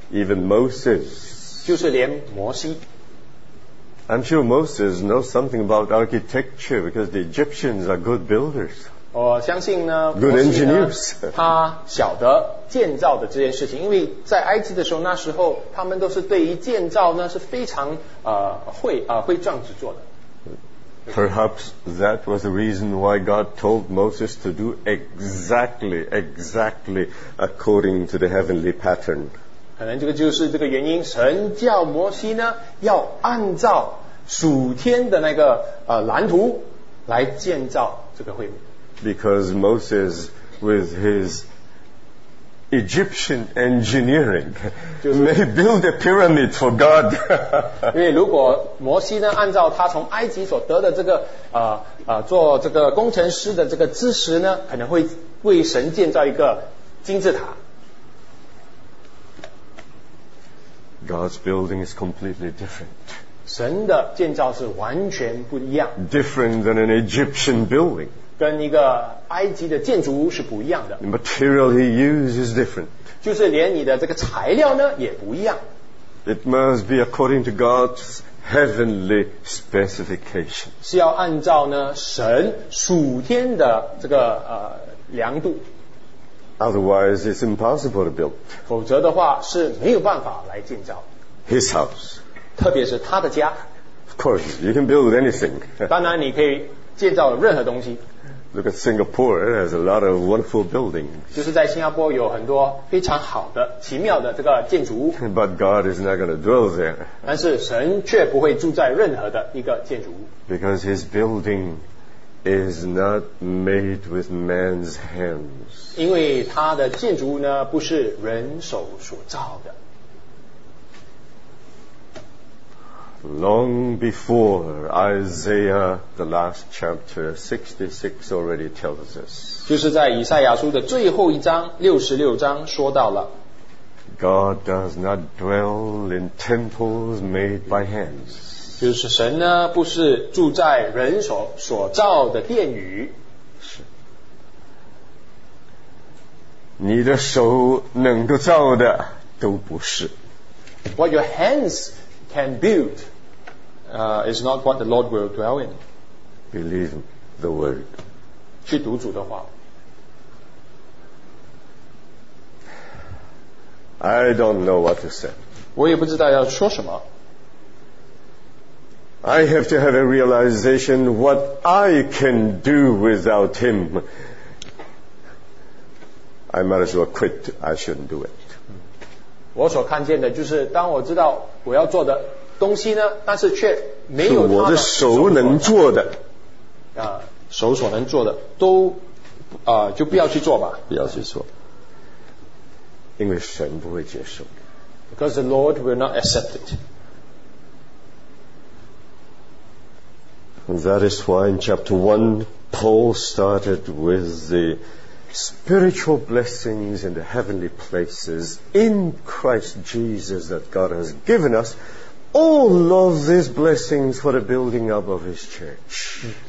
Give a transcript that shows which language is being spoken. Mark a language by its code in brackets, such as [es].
[en] Even Moses. [zh] 就是连摩西。 [en] I'm sure Moses knows something about architecture because the Egyptians are good builders. [zh] 我相信呢， [en] Good engineers. [zh] 他晓得建造的这件事情，因为在埃及的时候，那时候他们都是对于建造呢是非常会壮志做的。 [en] Perhaps that was the reason why God told Moses to do exactly according to the heavenly pattern. [zh] 可能这个就是这个原因，神叫摩西呢要按照属天的那个蓝图来建造这个会幕。 [en] Because Moses, with his Egyptian engineering, may build a pyramid for God. [zh] 因为如果摩西呢，按照他从埃及所得的这个做这个工程师的这个知识呢，可能会为神建造一个金字塔。 [en] God's building is completely different. [zh] 神的建造是完全不一样。 [en] Different than an Egyptian building. [zh] 跟一个埃及的建筑物是不一样的。 [en] The material he uses is different. [zh] 就是连你的这个材料呢也不一样。 [en] It must be according to God's heavenly specification. [zh] 是要按照呢神属天的这个量度。 [en] Otherwise, it's impossible to build. [zh] 否则的话是没有办法来建造。 [en] His house. [zh] 特别是他的家。 [en] Of course, you can build anything. [zh] 当然你可以建造任何东西。 [en] Look at Singapore, it has a lot of wonderful buildings. [zh] 就是在新加坡有很多非常好的、奇妙的这个建筑物。 [en] But God is not going to dwell there. [zh] 但是神却不会住在任何的一个建筑物。 [en] Because his building is not made with man's hands. [zh] 因为他的建筑物呢，不是人手所造的。 [en] Long before Isaiah, the last chapter 66 already tells us. [zh] 就是在以赛亚书的最后一章66章说到了。 [en] God does not dwell in temples made by hands. [zh] 就是神呢不是住在人所造的殿宇。是。你的手能够造的都不是。 [en] What your hands can build. Is not what the Lord will dwell in. Believe the word. [zh] 去读主的话。 [en] I don't know what to say. [zh] 我也不知道要说什么。 [en] I have to have a realization what I can do without him. I might as well quit. I shouldn't do it. [zh] 我所看见的就是当我知道我要做的东西呢，但是却没有他的我的手能做的手所能做的都就不要去做吧，不要去做，因为神不会接受。 [en] Because the Lord will not accept it. That is why in chapter 1 Paul started with the spiritual blessings in the heavenly places in Christ Jesus that God has given usAll of these blessings for the building up of his church.